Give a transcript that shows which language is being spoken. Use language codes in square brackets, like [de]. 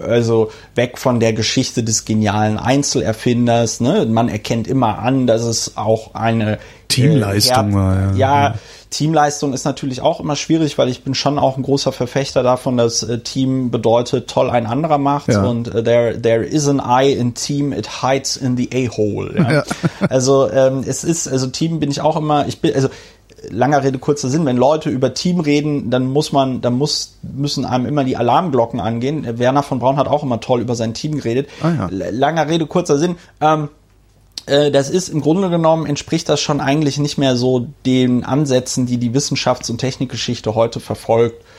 [de] Also weg von der Geschichte des genialen Einzelerfinders. Ne? Man erkennt immer an, dass es auch eine Teamleistung war. Ja, Teamleistung ist natürlich auch immer schwierig, weil ich bin schon auch ein großer Verfechter davon, dass Team bedeutet, toll ein anderer macht. Ja. Und [en] there is an eye in Team, it hides in the A-hole. [de] Ja? Ja. Also es ist, also Team bin ich auch immer, ich bin, also langer Rede, kurzer Sinn, wenn Leute über Team reden, dann müssen einem immer die Alarmglocken angehen. Werner von Braun hat auch immer toll über sein Team geredet. Oh ja. Langer Rede, kurzer Sinn, das ist im Grunde genommen, entspricht das schon eigentlich nicht mehr so den Ansätzen, die die Wissenschafts- und Technikgeschichte heute verfolgt.